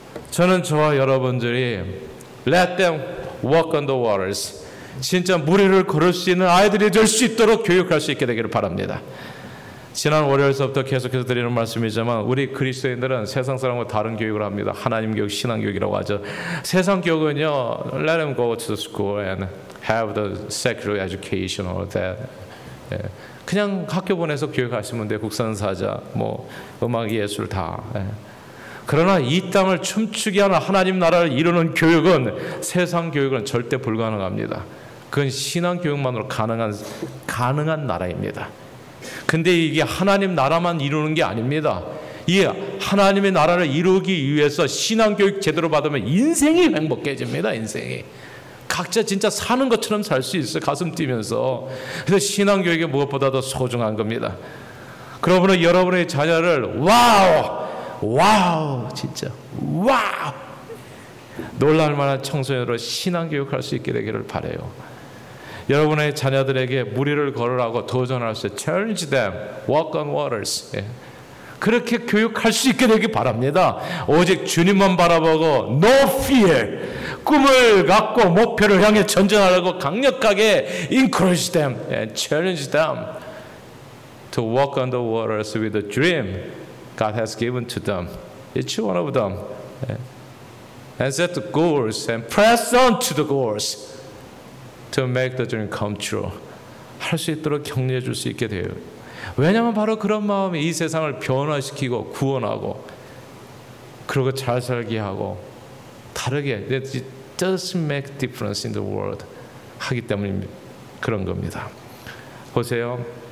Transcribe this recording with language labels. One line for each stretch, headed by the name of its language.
Korean: 저는 저와 여러분들이
English: Let them walk on the waters.
Korean: 진짜 물 위를 걸을 수 있는 아이들이 될 수 있도록 교육할 수 있게 되기를 바랍니다. 지난 월요일서부터 계속해서 드리는 말씀이지만 우리 그리스도인들은 세상 사람과 다른 교육을 합니다. 하나님 교육, 신앙 교육이라고 하죠. 세상 교육은요,
English: Let them go to school and have the secular education or that.
Korean: 그냥 학교 보내서 교육하시면 돼요. 국선사자, 뭐 음악, 예술 다. 그러나 이 땅을 춤추게 하는 하나님 나라를 이루는 교육은 세상 교육은 절대 불가능합니다. 그건 신앙 교육만으로 가능한 나라입니다. 근데 이게 하나님 나라만 이루는 게 아닙니다. 이 하나님의 나라를 이루기 위해서 신앙 교육 제대로 받으면 인생이 행복해집니다. 인생이 각자 진짜 사는 것처럼 살 수 있어요. 가슴 뛰면서. 그래서 신앙 교육이 무엇보다도 소중한 겁니다. 그러므로 여러분의 자녀를 와우, 와우, 진짜 와우 놀랄 만한 청소년으로 신앙 교육할 수 있게 되기를 바라요. 여러분의 자녀들에게 물 위를 걸으라고 도전할 수 있어요.
English: Challenge them, walk on waters. 예.
Korean: 그렇게 교육할 수 있게 되길 바랍니다. 오직 주님만 바라보고
English: No fear.
Korean: 꿈을 갖고 목표를 향해 전진하라고 강력하게
English: Encourage them and challenge them to walk on the waters with the dream God has given to them. Each one of them. Yeah. And set the goals and press on to the goals. To make the dream come true.
Korean: 할 수 있도록 격려해 줄 수 있게 돼요. 왜냐하면 바로 그런 마음이 이 세상을 변화시키고 구원하고 그리고 잘 살게 하고 다르게
English: It doesn't make difference in the world
Korean: 하기 때문에 그런 겁니다. 보세요.